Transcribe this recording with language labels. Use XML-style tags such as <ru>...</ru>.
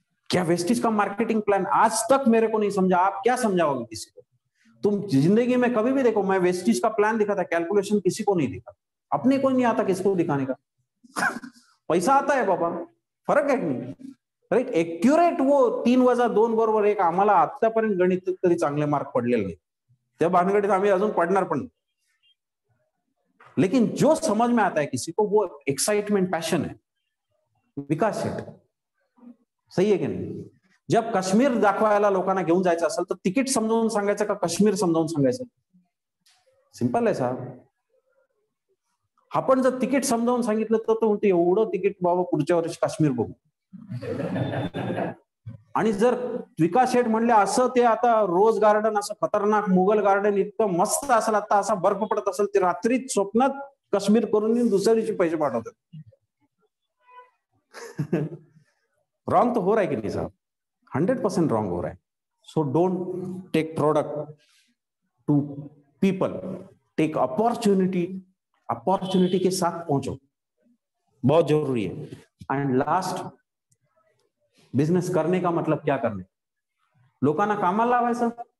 <hi>क्या वेस्टिज का marketing plan आज तक मेरे को नहीं समझा, आप क्या समझाओगे किसी को? तुम जिंदगी में कभी भी देखो, मैं वेस्टिज का प्लान दिखा था, कैलकुलेशन किसी को नहीं दिखा, अपने को नहीं आता किसको दिखाने का। पैसा आता है बाबा, फर्क है नहीं, राइट?</hi> <mr>एक्यूरेट वो 3 वजा 2 बरोबर 1 आम्हाला आतापर्यंत गणित तरी चांगले मार्क पडलेले नाही, त्या भानगडीत आम्ही अजून पडणार पण।</mr> <hi>लेकिन जो समझ में आता है किसी को वो एक्साइटमेंट पैशन है, विकास है। सही है कि नहीं?</hi> <mr>जब कश्मीर दाखवायला लोकांना घेऊन जायचं असेल तर तिकीट समजावून सांगायचं का कश्मीर समजावून सांगायचं?</mr> <hi>सिंपल है साहब,</hi> <mr>आपण जर तिकीट समजावून सांगितलं तर म्हणते एवढं तिकीट बाबा पुढच्या वर्षी कश्मीर बघू। आणि जर विकास शेठ म्हणले असं ते आता रोज गार्डन असं खतरनाक मुघल गार्डन इतकं मस्त असेल, आता असा बर्फ पडत असेल, ते रात्री स्वप्नात कश्मीर करून दुसऱ्या दिवशी पैसे पाठवतात।</mr> <hi>रॉंग तो हो रहा है कि नहीं साहब? 100% रॉंग हो रहा है।</hi> <en>so don't take product to people, take opportunity,</en> <hi>opportunity के साथ पहुंचो, बहुत जरूरी है। एंड लास्ट, बिजनेस करने का मतलब क्या करने?</hi> <mr>लोकाना कामाला लावायचं,</mr>